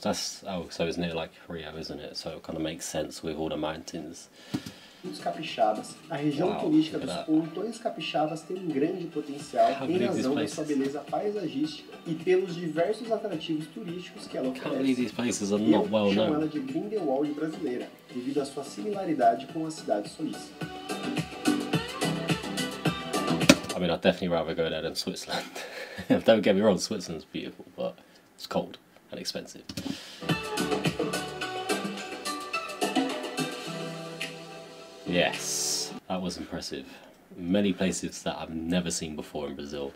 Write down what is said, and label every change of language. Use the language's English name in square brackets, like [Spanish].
[English] That's, oh, so it's near like Rio, isn't it? So it kind of makes sense with all the mountains. [Portuguese] Os capixabas, a região turística dos pontões capixabas tem um grande potencial em razão da sua beleza paisagística e pelos diversos atrativos turísticos que ela oferece. [English] Well, [Portuguese] chamo ela de Grindelwald brasileira, devido à sua similaridade com a cidade suíça. [English] I mean, I'd definitely rather go there than Switzerland. Don't get me wrong, Switzerland's beautiful, but it's cold and expensive. Yes, that was impressive. Many places that I've never seen before in Brazil.